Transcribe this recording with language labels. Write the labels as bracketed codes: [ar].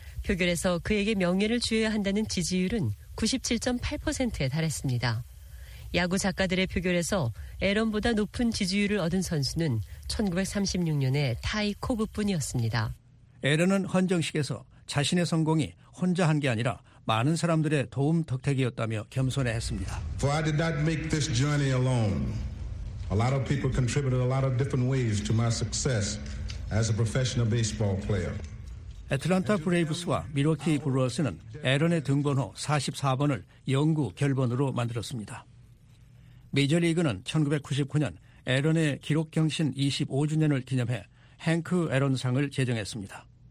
[ko] 표결에서 그에게 명예를 주어야 한다는 지지율은 97.8%에 달했습니다. 야구 작가들의 표결에서 에런보다 높은 지지율을 얻은 선수는 1936년에 타이 코브뿐이었습니다. 에런은 헌정식에서 자신의 성공이 혼자 한 게 아니라 많은 사람들의 도움 덕택이었다며 겸손해했습니다. [en] For I did not make this journey alone. A lot of people contributed a lot of different ways to my success as a professional baseball player. [ko] 애틀란타 브레이브스와 미러키 브루어스는 에런의 등번호 44번을 영구 결번으로 만들었습니다. 메이저리그는 1999년 에런의 기록 경신 25주년을 기념해 행크 에런상을 제정했습니다.